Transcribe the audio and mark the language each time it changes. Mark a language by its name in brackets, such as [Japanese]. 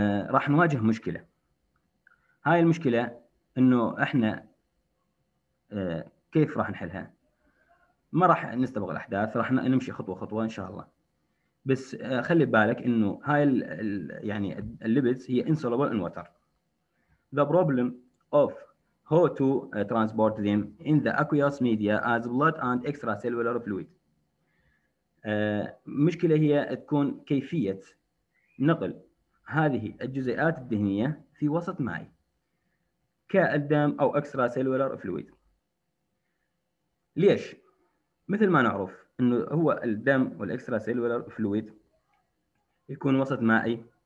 [Arabic] راح نواجه مشكله. هاي المشكله انه احنا كيف راح نحلها؟ ما راح نستبق الاحداث، راح نمشي خطوه خطوه ان شاء الله. بس خلي بالك انه هاي يعني الليبيدز هي [English] insoluble in water. The problem of how to transport them in the aqueous media as blood and extracellular fluid. [Arabic] مشكلة هي تكون كيفية نقل هذه الجزيئات الدهنية في وسط مائي كالدم أو extracellular fluid. ليش؟ مثل ما نعرف أنه هو الدم والextracellular fluid يكون وسط مائي